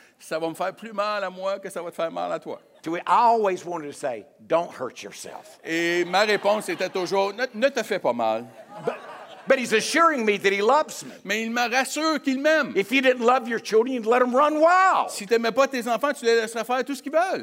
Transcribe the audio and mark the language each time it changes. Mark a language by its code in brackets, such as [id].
[fr] Ça va me faire plus mal à moi que ça va te faire mal à toi. [en] I always wanted to say, don't hurt yourself. [fr] Et ma réponse était toujours, ne te fais pas mal. [en] But he's assuring me that he loves me. [fr] Mais il me rassure qu'il m'aime. [en] If you didn't love your children, you'd let them run wild. [fr] Si tu n'aimais pas tes enfants, tu les laisserais faire tout ce qu'ils veulent.